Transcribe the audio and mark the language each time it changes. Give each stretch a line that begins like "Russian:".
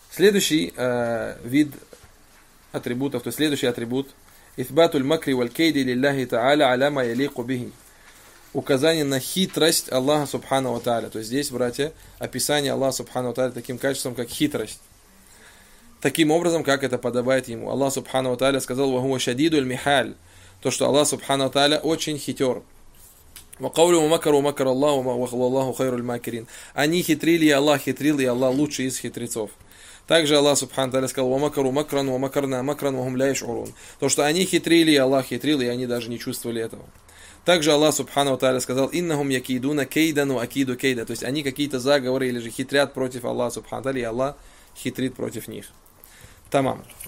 Russian: Следующий вид атрибутов, то есть следующий атрибут
Arabic: إثبات المكر والكيد لله تعالى على ما يليق به.
Russian: Указание на хитрость Аллаха Субхана ва Тааля. То есть здесь, братья, описание Аллаха Субхана ва Тааля таким качеством, как хитрость. Таким образом, как это подобает ему. Аллах Субхана ва Тааля сказал:
Arabic: وهو شديد المحال.
Russian: То, что Аллах Субхана ва Тааля очень хитер.
Arabic: وقوله مكر ومكر الله والله خير الماكرين.
Russian: Они хитрили, и Аллах хитрил, и Аллах лучший из хитрецов. Также Аллах Субхана ва Тааля сказал:
Arabic: وَمَكَرُوا مَكْرًا وَمَكَرْنَا مَكْرًا وَهُمْ لَا يَشْعُرُونَ.
Russian: То, что они хитрили, и Аллах хитрил, и они даже не чувствовали этого. Также Аллах Субхана ва Тааля сказал:
Arabic: إِنَّهُمْ يَكِيدُونَ كَيْدًا وَأَكِيدُ كَيْدًا.
Russian: То есть они какие-то заговоры или же хитрят против Аллаха Субхана ва Тааля, и Аллах хитрит против них. Тамам.